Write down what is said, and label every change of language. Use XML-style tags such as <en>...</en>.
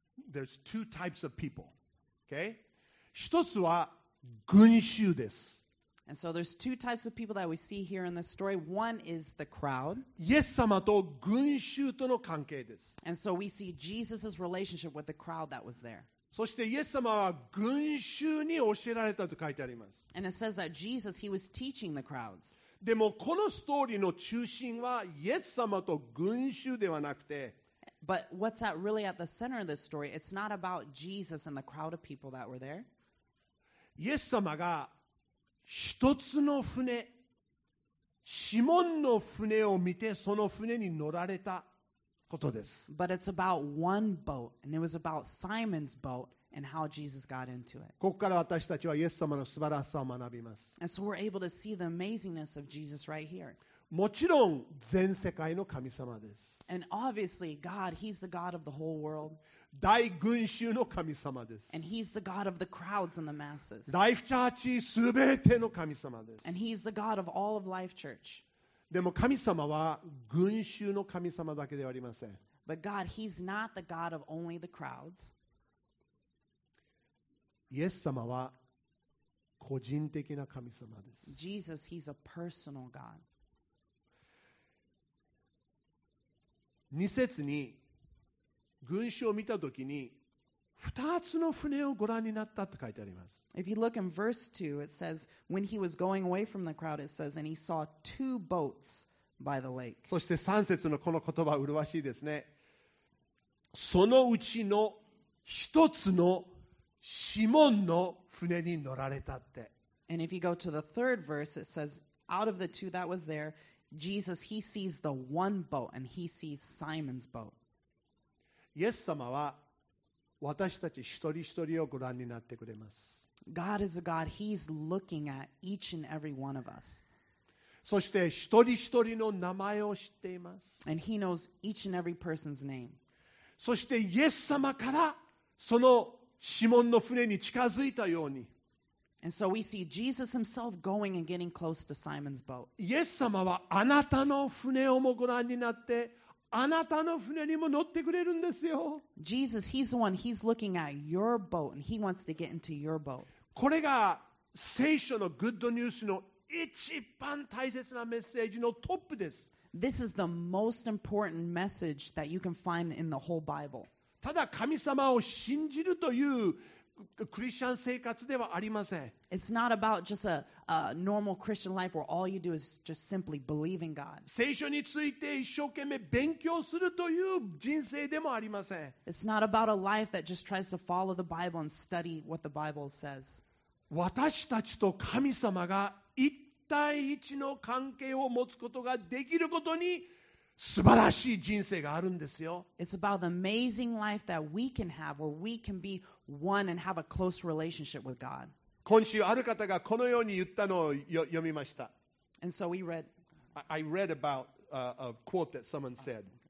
<en>There's two types of people.</en> <ja>Okay? 一つは群衆です。</ja> <en>And so there's two types of people that we see here in this story. One is the crowd.</en> <ja>イエス様と群衆との関係です。</ja> <en>And so we see Jesus' relationship with the crowd that was there.</en> <ja>そしてイエス様は群衆に教えられたと書いてあります。</ja> <en>And it says that Jesus, he was teaching the crowds.</en> <ja>でもこのストーリーの中心はイエス様と群衆ではなくて、</ja> <en>But what's that really at the center of this story? It's not about Jesus and the crowd of people that were there.</en> <ja>イエス様が一つの船、シモンの船を見てその船に乗られたことです。</ja> <en>But it's about one boat, and it was about Simon's boat and how Jesus got into it.</en> <ja>ここから私たちはイエス様の素晴らしさを学びます。</ja> <en>And so we're able to see the amazingness of Jesus right here.</en> <ja>もちろん全世界の神様です。</ja> <en>And obviously, God, He's the God of the whole world.</en> <ja>大群衆の神様です。</ja> <en>And he's the God of the crowds and the masses.</en> <ja>Life Church すべての神様です。</ja> <en>And he's the God of all of Life Church.</en> <ja>でも神様は群衆の神様だけではありません。</ja> <en>But God, he's not the God of only the crowds.</en> <ja>イエス様は個人的な神様です。</ja> <en>Jesus, he's a personal God.</en> <ja>2節に群衆を見たときに二つの船をご覧になったと書いてあります。</ja> <en>If you look in verse 2, it says, when he was going away from the crowd, it says, and he saw two boats by the lake.</en> <ja>そして三節のこの言葉、うるわしいですね。そのうちの一つのシモンの船に乗られたって。</ja> <en>And if you go to the third verse, it says, out of the two that was there, Jesus, he sees the one boat, and he sees Simon's boat.</en> <ja>イエス様は私たち一人一人をご覧になってくれます。</ja> <en>God is a God. He's looking at each and every one of us.</en> <ja>そして一人一人の名前を知っています。</ja> <en>And he knows each and every person's name.</en> <ja>そしてイエス様からそのシモンの船に近づいたように。</ja> <en>And so we see Jesus himself going and getting close to Simon's boat.</en> <ja>イエス様はあなたの船をもご覧になって、あなたの船にも乗ってくれるんですよ。</ja> <en>Jesus, he's the one, he's looking at your boat and he wants to get into your boat.</en> <ja>これが聖書のグッドニュースの一番大切なメッセージのトップです。</ja> <en>This is the most important message that you can find in the whole Bible.</en> <ja>ただ神様を信じるというクリスチャン生活ではありません。</ja> <en>It's not about just a normal Christian life where all you do is just simply believe in God.</en> <ja>聖書について一生懸命勉強するという人生でもありません。</ja> <en>It's not about a life that just tries to follow the Bible and study what the Bible says.</en> <ja>私たちと神様が一対一の関係を持つことができることに素晴らしい人生があるんですよ。</ja> <en>It's about the amazing life that we can have where we can be one and have a close relationship with God.</en> <ja>今週ある方がこのように言ったのを読みました。</ja> <en>And so we read. I read about a quote that someone said.</en>